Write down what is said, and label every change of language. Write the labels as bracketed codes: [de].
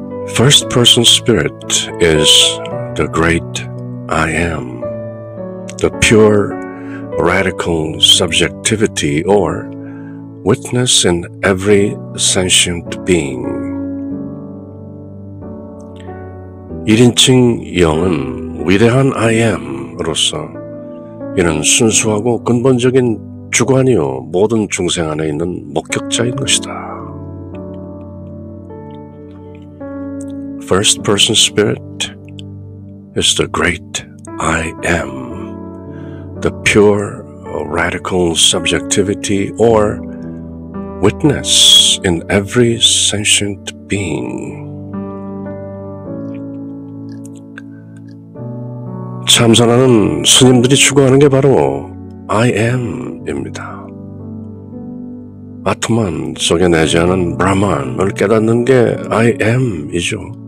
[en] First person spirit is the great I am, the pure radical subjectivity or witness in every sentient being. [ko] 1인칭 영은 위대한 I am으로서 이는 순수하고 근본적인 주관이요 모든 중생 안에 있는 목격자인 것이다. [en] First person spirit is the great I am, the pure radical subjectivity or witness in every sentient being. [ko] 참선하는 스님들이 추구하는 게 바로 I am입니다. 아토만 속에 내재하는 브라만을 깨닫는 게 I am이죠.